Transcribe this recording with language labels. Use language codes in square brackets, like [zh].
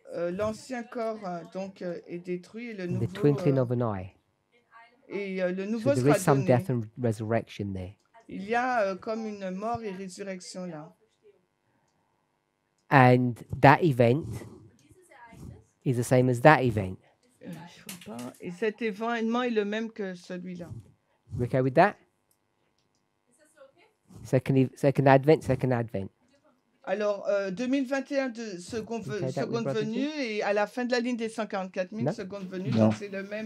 [fr] L'ancien corps donc est détruit et le nouveau, [en] the twinkling of an eye. [fr] Et, le nouveau [en] so there [fr] sera [en] is some [fr] donné. [en] Death and resurrection there. [fr] Il y a comme une mort et résurrection là. [en] And that event is the same as that event. [fr] Et cet événement est le même que celui-là. [en] We okay with that? Second Advent, Second Advent. [fr] Alors, 2021, seconde venue, et à la fin de la ligne des 144 000, seconde venue, donc c'est le même.